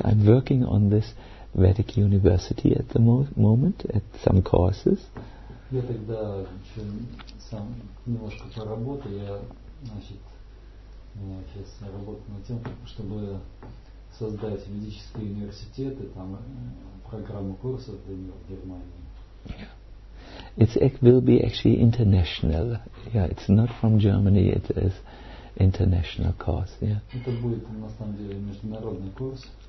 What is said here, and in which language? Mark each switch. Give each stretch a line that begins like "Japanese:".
English: I'm working on this Vedic University at the moment at some courses.
Russian: Я тогда еще сам немножко поработаю. Я, значит, сейчас я работаю над тем, чтобы создать ведические университеты, там программу курсов для них в Германии.
English: It will be actually international. Yeah, it's not from Germany, it is international course. Yeah.
Russian: Это будет на самом деле международный курс.